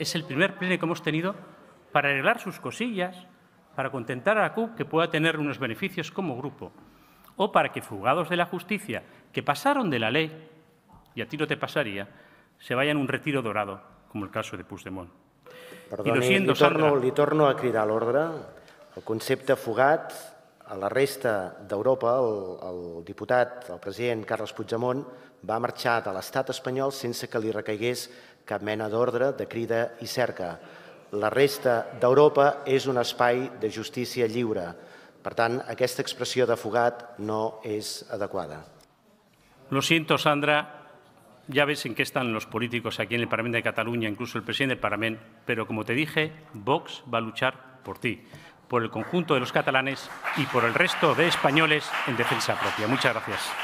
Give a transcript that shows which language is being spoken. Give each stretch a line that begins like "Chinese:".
Spanish: Es el primer pleno que hemos tenido para arreglar sus cosillas, para contentar a la CUP, que pueda tener unos beneficios como grupo, o para que fugados de la justicia, que pasaron de la ley, y a ti no te pasaría, se vayan un retiro dorado, como el caso de Puigdemont.
Catalan: Perdoni, li torno a cridar l'ordre. El concepte fugat, a la resta d'Europa, el president Carles Puigdemont va marxar de l'estat espanyol sense que li recaigués cap mena d'ordre de crida i cerca. La resta d'Europa és un espai de justícia lliure. Per tant, aquesta expressió de fugat no és adequada.
Spanish: Lo siento, Sandra. Ya ves en qué están los políticos aquí en el Parlamento de Cataluña, incluso el presidente del Parlamento, pero como te dije, Vox va a luchar por ti, por el conjunto de los catalanes y por el resto de españoles en defensa propia. Muchas gracias.